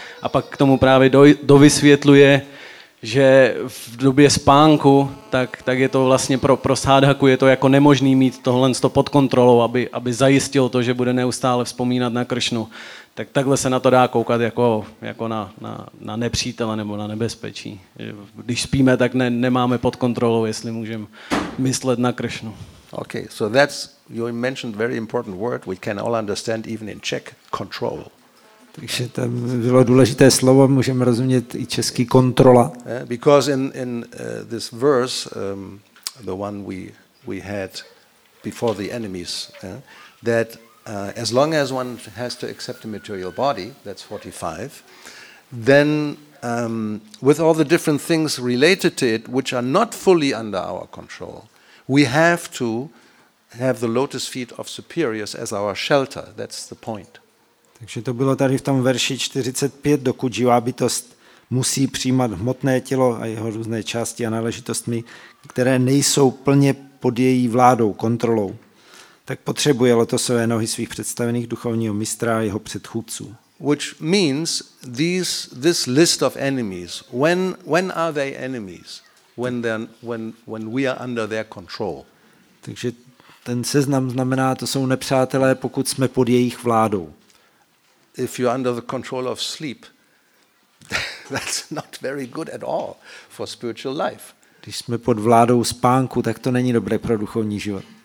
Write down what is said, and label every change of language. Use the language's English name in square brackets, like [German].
[Czech] A pak k tomu právě dovysvětluje, že v době spánku, tak je to vlastně pro sádhaku, je to jako nemožný mít tohle pod kontrolou, aby zajistil to, že bude neustále vzpomínat na Kršnu. Tak takhle se na to dá koukat jako na nepřítele nebo na nebezpečí. Když spíme, tak nemáme pod kontrolou, jestli můžeme myslet na Kršnu. [English] Okay, so that's, you mentioned very important word, we can all understand even in Czech, control. [Czech] Takže tam bylo důležité slovo, můžeme rozumět i český kontrola. [English] Yeah, because in this verse, the one we had before the enemies, that as long as one has to accept a material body, that's 45, then with all the different things related to it, which are not fully under our control, we have to have the lotus feet of superiors as our shelter. That's the point. [Czech] Takže to bylo tady v tom verši 45, dokud živá bytost musí přijímat hmotné tělo a jeho různé části a náležitostmi, které nejsou plně pod její vládou, kontrolou, tak potřebuje lotosové nohy svých představených duchovního mistra a jeho předchůdců. [English] Which means this list of enemies, when are they enemies? When we are under their control. [Czech] Takže ten seznam znamená, to jsou nepřátelé, pokud jsme pod jejich vládou. [English] If you're under the control of sleep, that's not very good at all for spiritual life. [Czech] Když jsme pod vládou spánku, tak to není dobré pro duchovní život.